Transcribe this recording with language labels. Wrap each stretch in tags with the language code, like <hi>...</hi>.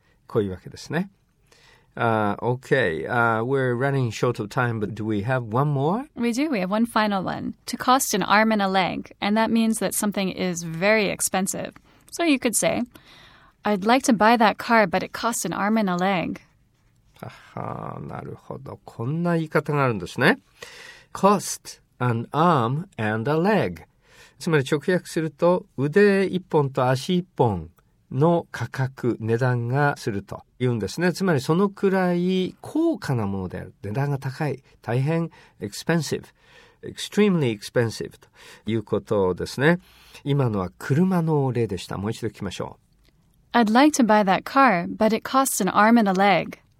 <ja>こういうわけですね。</ja> <en>We're running short of time, but do we have one more? We do. We have one final one. To cost an arm and a leg. And that means that something is very expensive. So you could say, I'd like to buy that car, but it cost an arm and a leg.</en> <ja>はあ、なるほど。こんな言い方があるんですね。</ja> <en>Cost. An arm and a leg.</en> <ja>つまり直訳すると腕一本と足一本の価格、値段がすると言うんですね。つまりそのくらい高価なものである。値段が高い。大変 expensive.</ja> <en>Extremely expensive</en> <ja>ということですね。今のは車の例でした。もう一度聞きましょう。</ja> <en>I'd like to buy that car, but it costs an arm and a leg.</en>